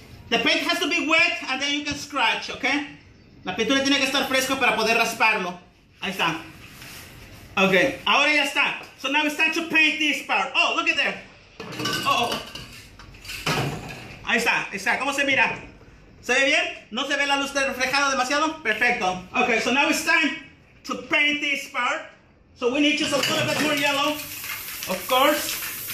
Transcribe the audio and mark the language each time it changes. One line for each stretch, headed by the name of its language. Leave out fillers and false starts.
English: The paint has to be wet and then you can scratch, okay?
Spanish: La pintura tiene que estar fresca para poder rasparlo. Ahí está. Okay, ahora ya está.
English: So now it's time to paint this part.
Spanish: Oh, look at there. Uh-oh. Ahí está, ahí está. ¿Cómo se mira? ¿Se ve bien? ¿No se ve la luz reflejada demasiado? Perfecto.
English: Okay, so now it's time to paint this part. So we need just a little bit more yellow, of course.